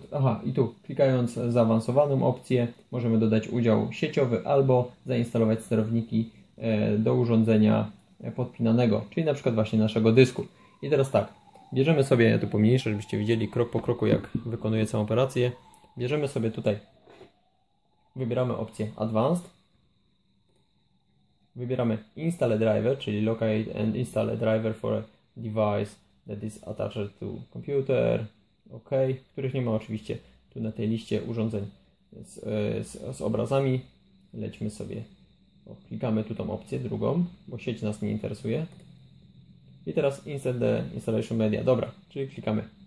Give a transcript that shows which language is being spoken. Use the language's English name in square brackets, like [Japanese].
[Polish] Aha, i tu klikając zaawansowaną opcję, możemy dodać udział sieciowy albo zainstalować sterowniki do urządzenia podpinanego, czyli na przykład właśnie naszego dysku. I teraz tak, bierzemy sobie, ja tu pomniejszę, żebyście widzieli krok po kroku, jak wykonuję całą operację. Bierzemy sobie tutaj, wybieramy opcję Advanced. Wybieramy [English] Install Driver, [Polish] czyli [English] Locate and Install a Driver for a Device that is attached to computer. [Polish] OK, których nie ma oczywiście tu na tej liście urządzeń z obrazami. Lećmy sobie, klikamy tu tą opcję drugą, bo sieć nas nie interesuje. I teraz [English] Install the Installation Media. [Polish] Dobra, czyli klikamy.